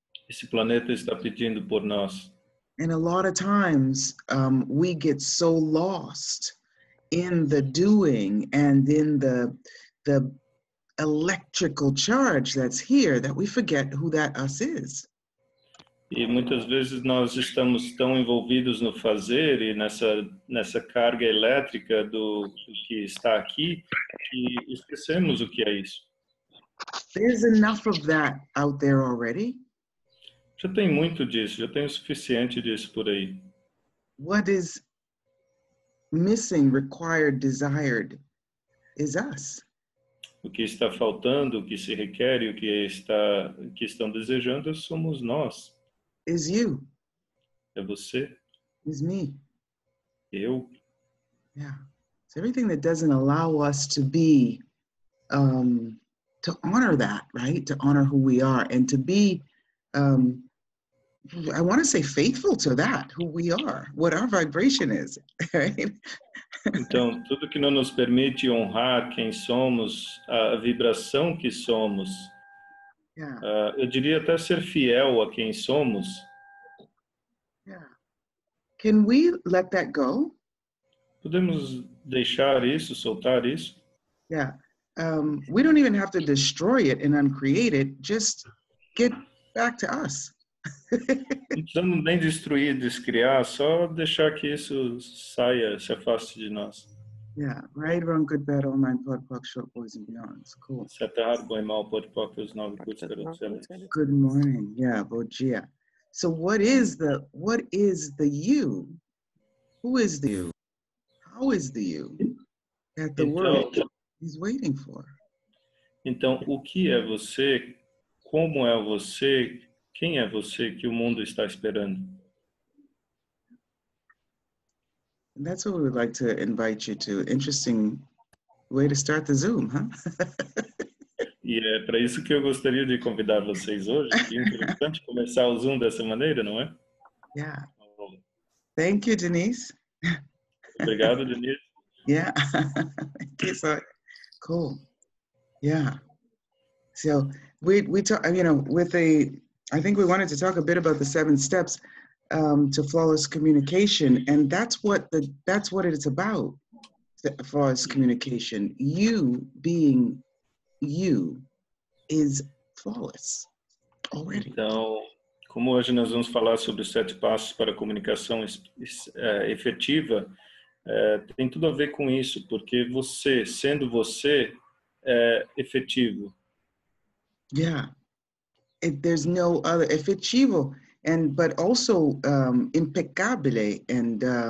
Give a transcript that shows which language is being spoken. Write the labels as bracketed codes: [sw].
[pt] Esse planeta está pedindo por nós. [en] And a lot of times we get so lost in the doing and in the electrical charge that's here that we forget who that us is. [pt] E muitas vezes nós estamos tão envolvidos no fazer e nessa carga elétrica do que está aqui que esquecemos o que é isso. [en] There's enough of that out there already. [pt] Já tem muito disso, já tem o suficiente disso por aí. [en] What is missing, required, desired is us. [pt] O que está faltando, o que se requer e o que está que estão desejando somos nós. [en] Is you. [pt] É você. [en] Is me. [pt] Eu. [en] Yeah. So everything that doesn't allow us to be, to honor that, right? To honor who we are and to be, I want to say faithful to that, who we are, what our vibration is, right? [pt] Então, tudo que não nos permite honrar quem somos, a vibração que somos, [en] yeah. [pt] Eu diria até ser fiel a quem somos. [en] Yeah. Can we let that go? [pt] Podemos deixar isso, soltar isso? [en] Yeah. We don't even have to destroy it and uncreate it. Just get back to us. [pt] Não precisamos nem destruir, descriar. Só deixar que isso saia, se afaste de nós. [en] Yeah, right, wrong, good, bad, all nine, pod, pock, short, boys, and beyonds. Cool. [pt] Certo, errado, bom e mal, pod, pock, os nove, good, garotos, eles. [en] Good morning, yeah, [pt] bom dia. [en] So what is the you? Who is the you? How is the you that the world is waiting for? [pt] Então, o que é você? Como é você? Quem é você que o mundo está esperando? [en] And that's what we would like to invite you to. Interesting way to start the Zoom, huh? [pt] E é para isso que eu gostaria de convidar vocês hoje. Que interessante começar o Zoom dessa maneira, não é? [en] Yeah. Thank you, Denise. [pt] Obrigado, Denise. [en] Yeah. Okay, so, cool. Yeah. So we talk, you know, with a, I think we wanted to talk a bit about the seven steps. To flawless communication, and that's what it's about, flawless communication. You being you is flawless already. [pt] Então, como hoje nós vamos falar sobre os sete passos para a comunicação efetiva, tem tudo a ver com isso, porque você, sendo você, é efetivo. [en] Yeah, there's no other, efetivo. And but also impeccable and